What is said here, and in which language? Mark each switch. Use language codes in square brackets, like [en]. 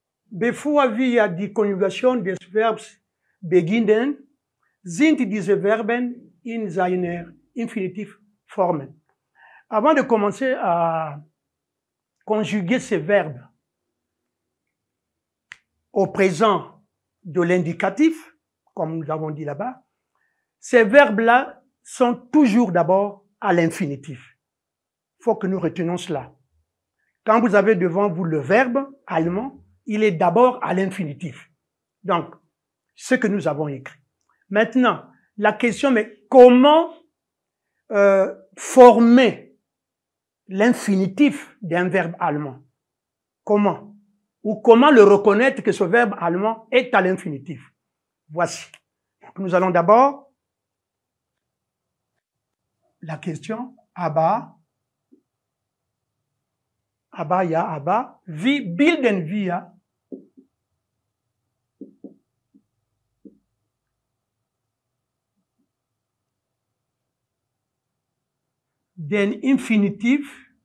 [de] Bevor wir die Konjugation des Verbs beginnen, sind diese Verben in seiner Infinitivform. [fr] Avant de commencer à conjuguer ces verbes au présent de l'indicatif, comme nous avons dit là-bas, ces verbes-là sont toujours d'abord à l'infinitif. Il faut que nous retenions cela. Quand vous avez devant vous le verbe allemand, il est d'abord à l'infinitif. Donc, ce que nous avons écrit. Maintenant, la question est comment former l'infinitif d'un verbe allemand? Comment? Ou comment le reconnaître que ce verbe allemand est à l'infinitif? Voici. Donc, nous allons d'abord... La question, [de] aber, wie bilden wir den Infinitiv